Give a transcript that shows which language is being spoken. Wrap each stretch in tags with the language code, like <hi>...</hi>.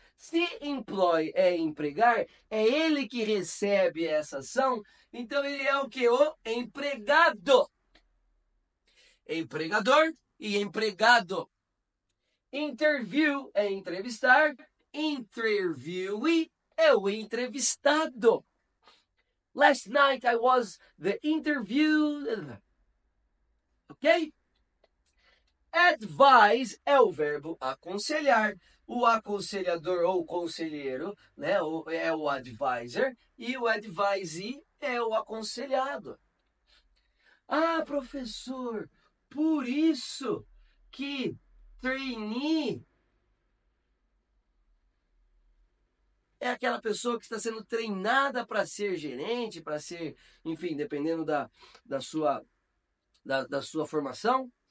<pt>Se employ é empregar, é ele que recebe essa ação, então ele é o quê? O empregado. Empregador e empregado. Interview é entrevistar. Interviewee é o entrevistado.</pt> <en>Last night I was the interviewed.</en> <pt>Ok? Advise é o verbo aconselhar. O aconselhador ou conselheiro, né, é o advisor. E o advisee é o aconselhado. Ah, professor, por isso que trainee é aquela pessoa que está sendo treinada para ser gerente, para ser, enfim, dependendo da sua formação.</pt>